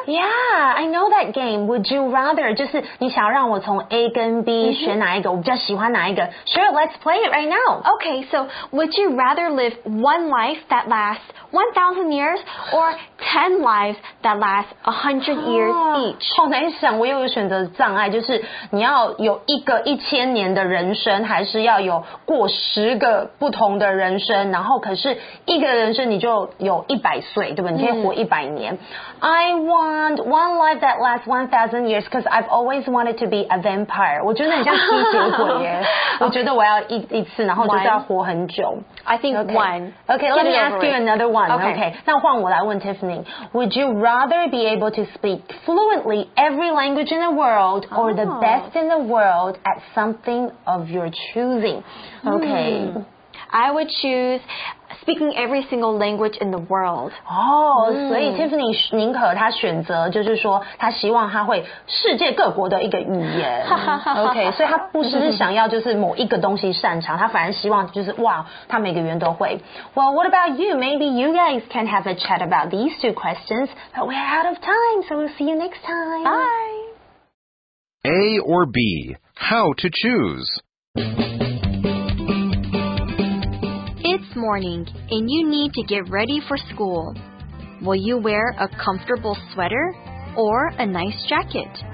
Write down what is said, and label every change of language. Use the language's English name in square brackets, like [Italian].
[English] Yeah, I know that game. Would You Rather? [Chinese] 就是你想要让我从 A 跟 B 选哪一个、 [English] mm-hmm. [Chinese] 我比较喜欢哪一个 [English] Sure, let's play it right now. Okay, so would you rather live one life that lasts 1,000 years or 10 lives that last 100 years each? [Chinese] 好难想，我又有选择障碍，就是你要有一个一千年的人生，还是要有过十个不同的人生，然后可是一个人生你就有一百岁，对吧？你可以活一百年。Mm. [English] I want one life that lasts 1,000 years because I've always wanted to be a vampire. [Chinese] 我觉得很像吸血鬼耶。我觉得我要 一次，然后就是要活很久。 [English] One. I think okay. one. Okay, let me ask you another one. Okay. Okay. [Chinese] 那换我来问 [English] Tiffany. Would you rather be able to speak fluently every language in the world or the best in the world at something of your choosing? Okay. I would choose speaking every single language in the world. [Chinese] Oh, so Tiffany 宁可她选择，就是说她希望她会世界各国的一个语言。 OK, 所以她不是想要就是某一个东西擅长，她反而希望就是哇，她每个语言都会。 [English] Well, what about you? Maybe you guys can have a chat about these two questions, but we're out of time, so we'll see you next time. Bye. A or B, how to choose? Morning, and you need to get ready for school. Will you wear a comfortable sweater or a nice jacket?